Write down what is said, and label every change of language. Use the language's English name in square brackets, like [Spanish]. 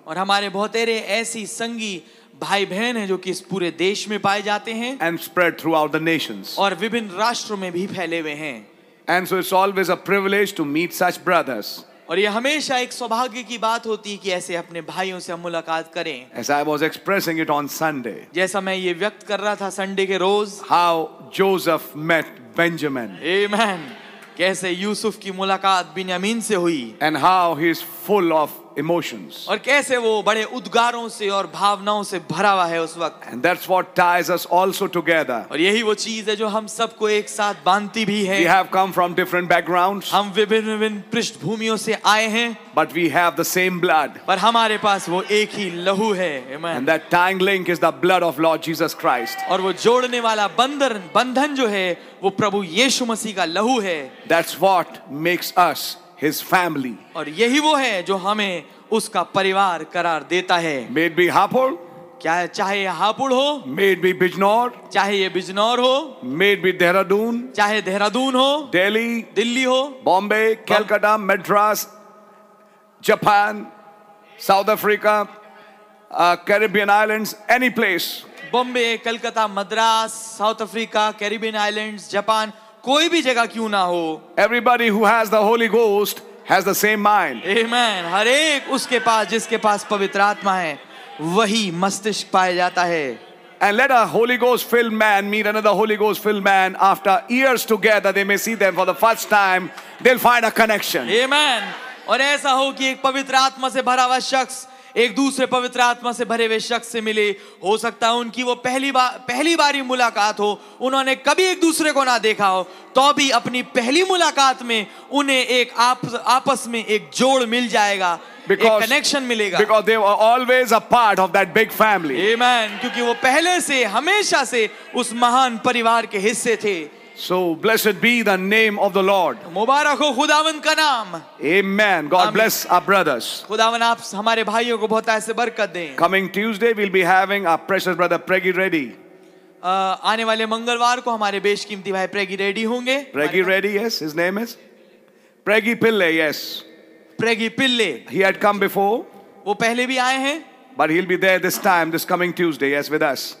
[Hindi] और हमारे बहुतेरे ऐसी संगी भाई बहन हैं जो कि इस पूरे देश में पाए जाते हैं. [English] And spread throughout the nations. [Hindi] और विभिन्न राष्ट्रों में भी फैले हुए हैं. [English] And so it's always a privilege to meet such brothers. [Hindi] और ये हमेशा एक सौभाग्य की बात होती है कि ऐसे अपने भाइयों से हम मुलाकात करें. [English] As I was expressing it on Sunday. [Hindi] जैसा मैं ये व्यक्त कर रहा था संडे के रोज. [English] How Joseph met Benjamin. Amen. [Hindi] कैसे यूसुफ की मुलाकात बिन्यामीन से हुई. [English] And how he is full of emotions. [Hindi] और कैसे वो बड़े उद्गारों से और भावनाओं से भरा हुआ है उस वक्त. [English] And that's what ties us also together. [Hindi] और यही वो चीज है जो हम सबको एक साथ बांधती भी है. [English] We have come from different backgrounds. [Hindi] हम विभिन्न पृष्ठभूमियों से आए हैं. [English] But we have the same blood. [Hindi] पर हमारे पास वो एक ही लहू है. Amen. [English] And that tying link is the blood of Lord Jesus Christ. [Hindi] और वो जोड़ने वाला बंधन जो है वो प्रभु यीशु मसीह का लहू है. [English] That's what makes us His family. [Hindi] और यही वो है जो हमें उसका परिवार करार देता है. [English] May it be Hapur. [Hindi] क्या चाहे हापुड़ हो. [English] May it be Bijnor. [Hindi] चाहे ये बिजनौर हो. [English] May it be Dehradun. [Hindi] चाहे देहरादून हो. [English] Delhi. [Hindi] दिल्ली हो. [English] Bombay, Calcutta, Madras, Japan, South Africa, Caribbean Islands, any place. Bombay, Calcutta, Madras, South Africa, Caribbean Islands, Japan. [Hindi] कोई भी जगह क्यों ना हो. [English] Everybody who has the Holy Ghost has the same mind. Amen. [Hindi] हर एक उसके पास जिसके पास पवित्र आत्मा है वही मस्तिष्क पाया जाता है. [English] And let a Holy Ghost filled man meet another Holy Ghost filled man after years together, they may see them for the first time, they'll find a connection. Amen. [Hindi] और ऐसा हो कि एक पवित्र आत्मा से भरा हुआ शख्स एक दूसरे पवित्र आत्मा से भरे हुए शख्स से मिले. हो सकता है उनकी वो पहली बार ही मुलाकात हो. उन्होंने कभी एक दूसरे को ना देखा हो तो भी अपनी पहली मुलाकात में उन्हें एक आपस में एक जोड़ मिल जाएगा. [English] Because, [Hindi] एक कनेक्शन मिलेगा. [English] Because they were always a part of that big family. Amen. [Hindi] क्योंकि वो पहले से हमेशा से उस महान परिवार के हिस्से थे. [English] So blessed be the name of the Lord. [Hindi] मुबारक हो खुदावन का नाम. [English] Amen. God bless our brothers. [Hindi] खुदावन आप हमारे भाइयों को बहुत ऐसे बरकत दें. [English] Coming Tuesday we'll be having our precious brother Preggy Reddy. [Hindi] आने वाले मंगलवार को हमारे बेशकीमती भाई Preggy Reddy होंगे. [English] Preggy Reddy, yes, his name is Preggy Pillay, yes. Preggy Pillay. He had come before. [Hindi] वो पहले भी आए हैं. [English] But he'll be there this time, this coming Tuesday, yes, with us.